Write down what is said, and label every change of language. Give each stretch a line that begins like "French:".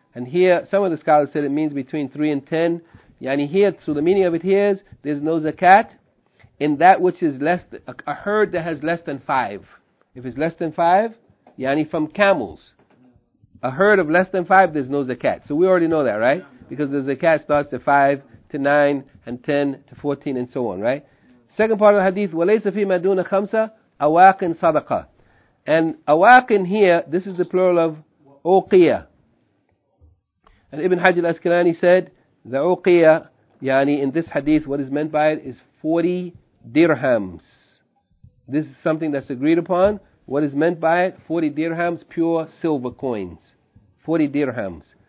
English: And here, some of the scholars said it means between 3 and 10. Yani here, so the meaning of it here is, there's no zakat in that which is less, a herd that has less than 5. If it's less than 5, yani from camels. A herd of less than 5, there's no zakat. So we already know that, right? Because the zakat starts at 5 to 9 and 10 to 14 and so on, right? Second part of the hadith,
Arabic: وَلَيْسَ فِي مَدُونَ خَمْسَ أَوَاقٍ صَدَقَةٍ.
English: And awaqin here, this is the plural of uqiya. And Ibn Hajj al-Asqalani said, the uqiya, yani in this hadith, what is meant by it is 40 dirhams. This is something that's agreed upon. What is meant by it? 40 dirhams, pure silver coins. 40 dirhams.